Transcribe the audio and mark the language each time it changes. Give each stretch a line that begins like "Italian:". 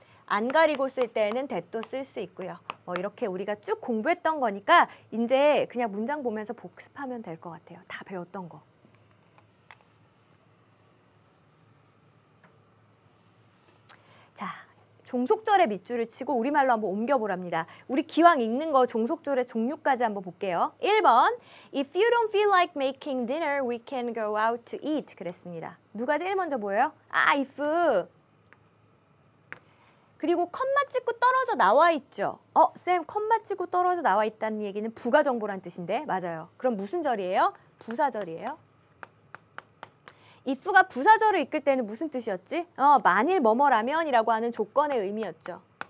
Korean: 안 가리고 쓸 때는 that도 쓸 수 있고요. 뭐 이렇게 우리가 쭉 공부했던 거니까 이제 그냥 문장 보면서 복습하면 될 것 같아요. 다 배웠던 거. 자, 종속절의 밑줄을 치고 우리말로 한번 옮겨보랍니다. 우리 기왕 읽는 거 종속절의 종류까지 한번 볼게요.
English: 1번, If you don't feel like making dinner, we can go out to eat.
Korean: 그랬습니다. 누가 제일 먼저 보여요? 아, if. 그리고 콤마 찍고 떨어져 나와 있죠. 어, 쌤, 콤마 찍고 떨어져 나와 있다는 얘기는 부가 정보란 뜻인데, 맞아요. 그럼 무슨 절이에요? 부사절이에요. if가 부사절을 이끌 때는 무슨 뜻이었지? 만일 뭐뭐라면 이라고 하는 조건의 의미였죠.